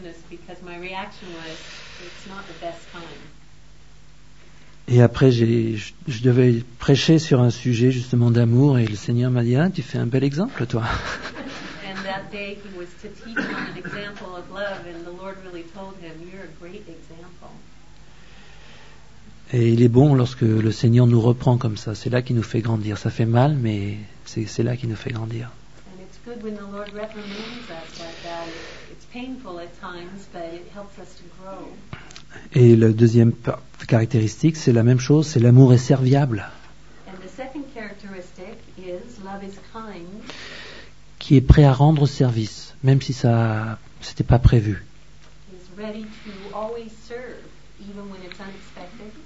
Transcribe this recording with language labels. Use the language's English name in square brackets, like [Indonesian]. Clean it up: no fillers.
[English] Because my reaction was, it's not the best time. [French] Et après, je devais prêcher sur un sujet justement d'amour, et le Seigneur m'a dit, ah, tu fais un bel exemple, toi. [English] And that day he was to teach him an example of love, and the Lord really told him, you're a great example. [French] Et il est bon lorsque le Seigneur nous reprend comme ça. C'est là qu'il nous fait grandir. Ça fait mal, mais c'est là qu'il nous fait grandir. [English] And it's good when the Lord reprimands us like that. Painful at times, but it helps us to grow. [French] Et la deuxième caractéristique, c'est la même chose, c'est l'amour est serviable. [English] And the second characteristic is love is kind. [French] Qui est prêt à rendre service, même si ça c'était pas prévu. [English] Is ready to always serve, even when it's unexpected.